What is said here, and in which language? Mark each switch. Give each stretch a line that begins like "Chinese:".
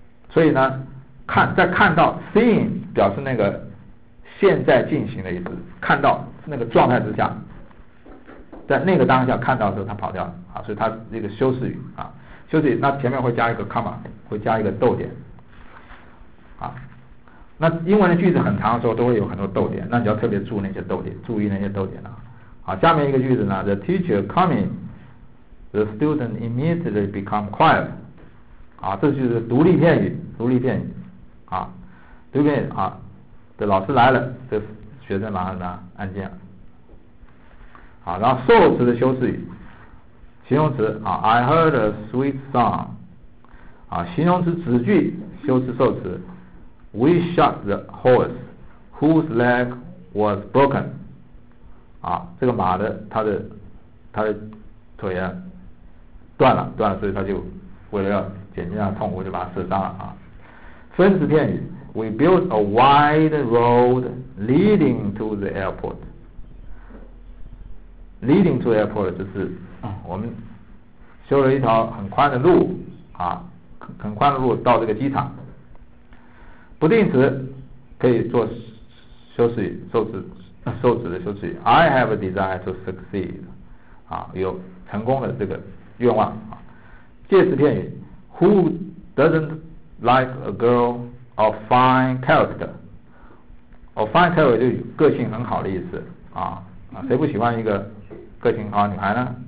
Chinese: 所以呢，看到 Seeing 表示那个现在进行的意思，看到那个状态之下，在那个当下看到的时候他跑掉了。啊，所以他这个修饰语啊，修饰语那前面会加一个 comma， 会加一个逗点。啊，那英文的句子很长的时候都会有很多逗点，那你要特别注意那些逗点啊。好，下面一个句子呢
English: The teacher coming the student immediately become quiet。
Chinese: 啊，这就是独立片语。啊，独立片语啊，这老师来了，这学生马上呢安静了。好，然后受词的修饰语形容词啊
English: I heard a sweet song。
Chinese: 啊，形容词子句修饰受词
English: We shot the horse whose leg was broken。
Chinese: 啊，这个马的他的腿啊断了，所以他就为了要减轻他的痛苦就把他射伤了。啊，分词片语
English: We built a wide road leading to the airport。 Leading to airport
Chinese: 就是我们修了一条很宽的路啊，很宽的路到这个机场。不定词可以做修饰语，受词的修饰语。
English: I have a desire to succeed。
Chinese: 啊，有成功的这个愿望啊。介词片语
English: ，Who doesn't like a girl of fine character？
Chinese: 哦 ，fine character 就是个性很好的意思啊。啊，谁不喜欢一个个性好的女孩呢？